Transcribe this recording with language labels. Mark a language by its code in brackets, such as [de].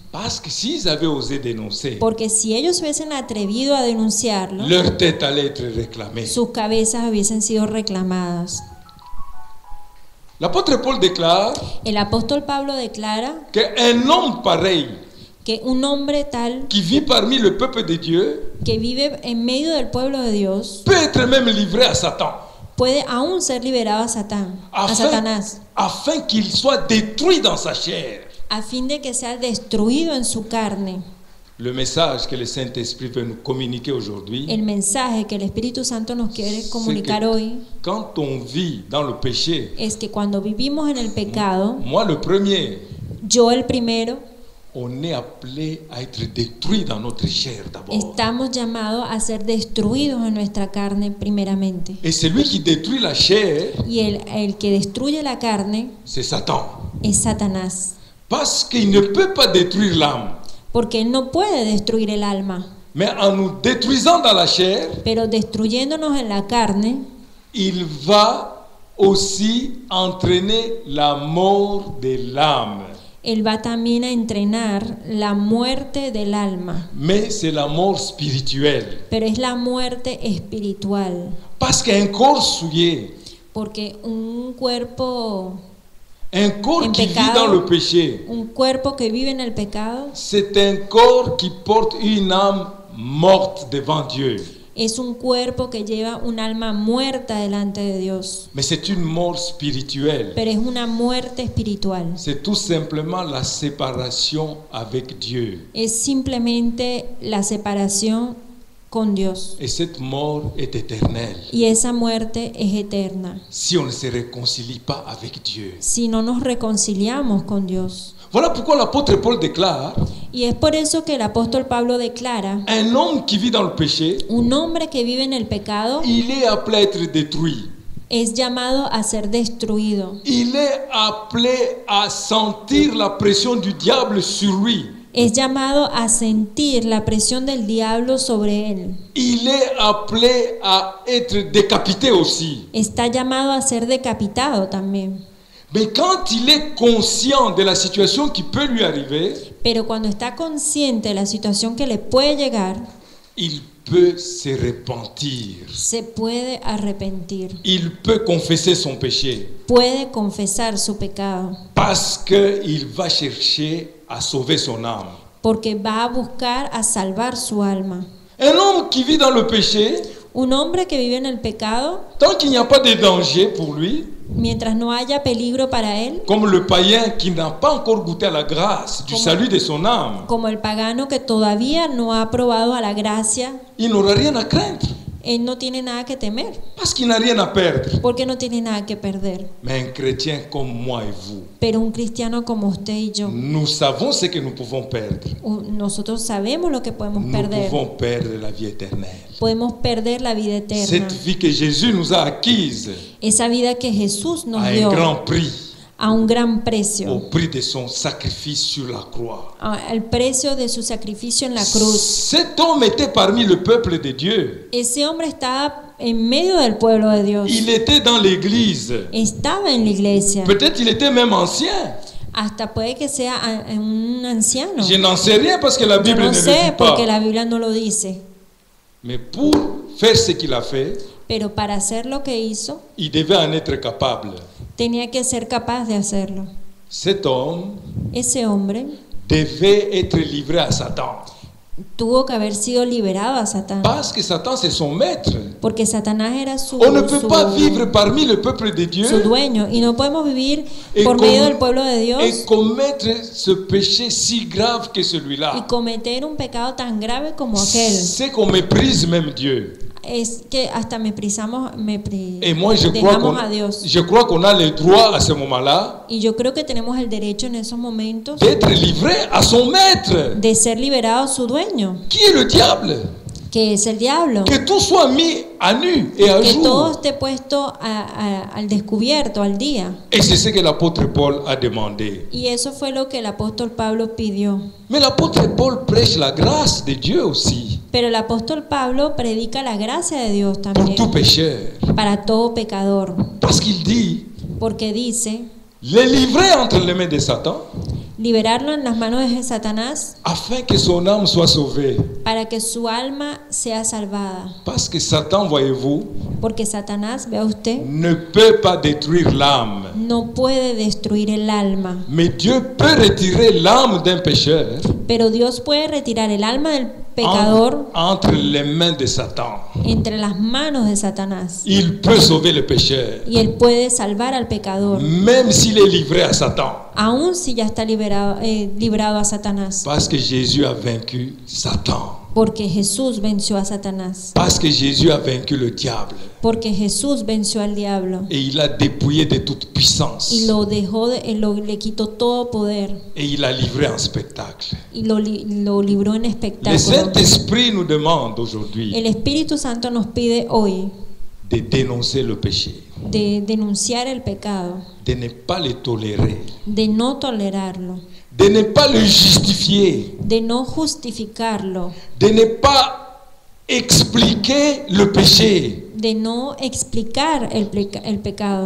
[fr] Parce que s'ils avaient osé dénoncer, [es] porque si ellos hubiesen atrevido a denunciarlo, [fr] leur tête allait être réclamée. [es] Sus cabezas hubiesen sido reclamadas. [fr] L'apôtre Paul déclare, [es] el apóstol Pablo declara [fr] que un homme pareil, [es] que un hombre tal [fr] qui vit parmi le peuple de Dieu, [es] que vive en medio del pueblo de Dios, [fr] peut être même livré à Satan, [es] puede aún ser liberado a Satan, [fr] afin, [es] a Satanás, [fr] afin qu'il soit détruit dans sa chair, [es] a fin de que sea destruido en su carne. [fr] Le message que le Saint-Esprit veut nous communiquer aujourd'hui, [es] el mensaje que el Espíritu Santo nos quiere comunicar [fr] que, [es] hoy, [fr] quand on vit dans le péché, [es] es que cuando vivimos en el pecado, [fr] moi le premier, [es] yo el primero, [fr] on est appelé à être détruit dans notre chair d'abord. [es] Estamos llamados a ser destruidos en nuestra carne primeramente. [fr] Et celui qui détruit la chair, [es] y el que destruye la carne, [fr] c'est Satan. [es] Es Satanás. [fr] Parce qu'il ne peut pas détruire l'âme. [es] Porque él no puede destruir el alma. [fr] Mais en nous détruisant dans la chair, [es] pero destruyéndonos en la carne, [fr] il va aussi entraîner la mort de l'âme. [es] Él va también a entrenar la muerte del alma. [fr] Mais c'est la mort spirituelle. [es] Pero es la muerte espiritual. [fr] Parce qu'un corps souillé, [es] porque un cuerpo, [fr] un corps qui vit dans le péché, [es] un cuerpo que vive en el pecado, [fr] c'est un corps qui porte une âme morte devant Dieu. [es] Es un cuerpo que lleva un alma muerta delante de Dios. [fr] Mais c'est une mort spirituelle. [es] Pero es una muerte espiritual. [fr] C'est tout simplement la séparation avec Dieu. [es] Es simplemente la separación con Dios. [fr] Et cette mort est éternelle. [es] Y esa muerte es eterna. [fr] Si on ne se réconcilie pas avec Dieu. [es] Si no nos reconciliamos con Dios. [fr] Voilà pourquoi l'apôtre Paul déclare. [es] Y es por eso que el apóstol Pablo declara. [fr] Un homme qui vit dans le péché, [es] un hombre que vive en el pecado. [fr] Il est appelé à être détruit. [es] Es llamado a ser destruido. [fr] Il est appelé à sentir la pression du diable sur lui. [es] Es llamado a sentir la presión del diablo sobre él. [fr] Il est appelé à être décapité aussi. [es] Está llamado a ser decapitado también. [fr] Mais quand il est conscient de la situation qui peut lui arriver, [es] pero cuando está consciente de la situación que le puede llegar, [fr] il peut se repentir. [es] Se puede arrepentir. [fr] Il peut confesser son péché. [es] Puede confesar su pecado. [fr] Parce que il va chercher à sauver son âme. [es] Porque va a buscar a salvar su alma. [fr] Un homme qui vit dans le péché, [es] Un hombre que vive en el pecado. [fr] Tant qu'il n'y a pas de danger pour lui. [es] Mientras no haya peligro para él. Como [fr] le païen qui n'a pas encore goûté à la grâce du salut de son âme. [es] Como el pagano que todavía no ha probado a la gracia. [fr] Il n'aura rien à craindre. [es] Él no tiene nada que temer. [fr] Parce qu'il n'a rien à perdre. [es] Porque no tiene nada que perder. [fr] Mais un chrétien comme moi et vous. [es] Pero un cristiano como usted y yo. [fr] Nous savons ce que nous pouvons perdre. [es] Nosotros sabemos lo que podemos perder. [fr] Nous pouvons perdre la vie éternelle. [es] Podemos perder la vida eterna. [fr] Cette vie que Jésus nous a acquise. [es] Esa vida que Jesús nos dio. [fr] A un grand prix. [es] A un gran precio. [fr] Au prix de son sacrifice sur la croix. [es] Al precio de su sacrificio en la cruz. [fr] Cet homme était parmi le peuple de Dieu. [es] Ese hombre estaba en medio del pueblo de Dios. [fr] Il était dans l'église. [es] Estaba en la iglesia. [fr] Peut-être il était même ancien. [es] Hasta puede que sea un anciano. [fr] Je n'en sais rien parce que la Bible [es] no [fr] ne le dit pas. [es] No sé porque la Biblia no lo dice. [fr] Mais pour faire ce qu'il a fait. [es] Pero para hacer lo que hizo. [fr] Il devait en être capable. [es] Tenía que ser capaz de hacerlo. [fr] Cet homme, [es] ese hombre [fr] devait être livré à Satan. [es] Tuvo que haber sido liberado a Satán. [fr] Parce que Satan, c'est son maître. [es] Porque Satanás era su dueño. [fr] On ne peut pas vivre parmi le peuple de Dieu. [es] Su dueño. Y no podemos vivir por medio del pueblo de Dios. [fr] Et commettre ce péché si grave que celui-là. [es] Y cometer un pecado tan grave como aquel. [fr] C'est qu'on méprise même Dieu. [es] Es que hasta méprisamos, dejamos a Dios. Y yo creo que tenemos el derecho en esos momentos [fr] d'être livré à son maître. [es] De ser liberado a su dueño. ¿Quién es el diablo? Que es el diablo. [fr] Que [es] tú [fr] sois mis a nu et à jour. [es] Que todo esté puesto al descubierto, al día. [fr] Et c'est ce que l'apôtre Paul a demandé. [es] Y eso fue lo que el apóstol Pablo pidió. [fr] Mais l'apôtre Paul prêche la grâce de Dieu aussi. [es] Pero el apóstol Pablo predica la gracia de Dios también. [fr] Pour tout pécheur. [es] Para todo pecador. [fr] Parce qu'il dit. [es] Porque dice. [fr] Le livrer entre les mains de Satan. [es] Liberarlo en las manos de Satanás. [fr] Afin que son âme soit sauvée. [es] Para que su alma sea salvada. [fr] Parce que Satan, voyez-vous, [es] porque Satanás, vea usted, [fr] ne peut pas détruire l'âme. [es] No puede destruir el alma. [fr] Mais Dieu peut retirer l'âme d'un pécheur. [es] Pero Dios puede retirar el alma del pecador [fr] entre les mains de Satan. [es] Entre las manos de Satanás. [fr] Il peut sauver le pécheur. [es] Y él puede salvar al pecador. [fr] Même s'il est livré à Satan. [es] Aún si ya está liberado, librado a Satanás. [fr] Parce que Jésus a vaincu Satan. [es] Porque Jesús venció a Satanás. [fr] Parce que Jésus a vaincu le diable. [es] Porque Jesús venció al diablo. [fr] Et il a dépouillé de toute puissance. [es] Y lo dejó le quitó todo poder. [fr] Et il a livré en spectacle. [es] Y lo libró en espectáculo. [fr] Le Saint-Esprit nous demande aujourd'hui. [es] El Espíritu Santo nos pide hoy. [fr] De dénoncer le péché. [es] De denunciar el pecado. [fr] De ne pas le tolérer. [es] De no tolerarlo. [fr] De ne pas le justifier. [es] De no justificarlo. [fr] De ne pas expliquer le péché. [es] De no explicar el pecado.